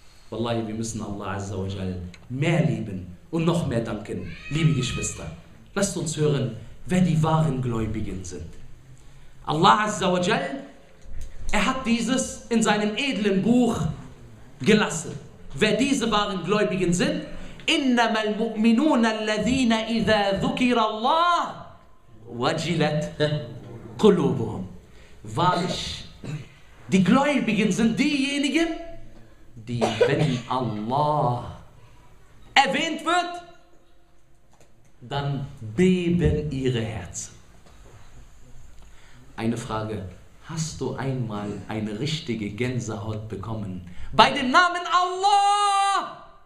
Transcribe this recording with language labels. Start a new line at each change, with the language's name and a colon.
German: Wallahi, wir müssen Allah Azza wa Jal mehr lieben und noch mehr danken, liebe Geschwister. Lasst uns hören, wer die wahren Gläubigen sind. Allah Azza wa Jal, er hat dieses in seinem edlen Buch gelassen. Wer diese wahren Gläubigen sind,
Arabic: إنما المؤمنون الذين إذا ذكر الله وجلت قلوبهم.
German: Wahrlich, die Gläubigen sind diejenigen, die, wenn Allah erwähnt wird, dann beben ihre Herzen. Eine Frage: Hast du einmal eine richtige Gänsehaut bekommen bei dem Namen Allah?